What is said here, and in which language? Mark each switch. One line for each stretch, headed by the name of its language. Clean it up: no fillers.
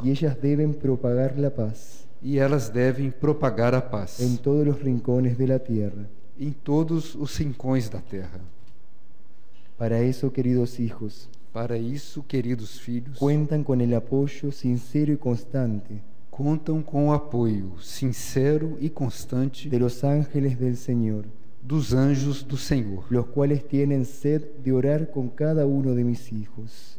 Spanish: y ellas deben propagar la paz,
Portuguese: e elas devem propagar a paz
Spanish: en todos los rincones de la tierra,
Portuguese: em todos os rincões da terra.
Spanish: Para eso, queridos hijos,
Portuguese: para isso, queridos filhos,
Spanish: cuentan con el apoyo sincero y constante,
Portuguese: contam com o apoio sincero e constante
Spanish: de los ángeles del Señor,
Portuguese: dos anjos do Senhor,
Spanish: los cuales tienen sed de orar con cada uno de mis hijos,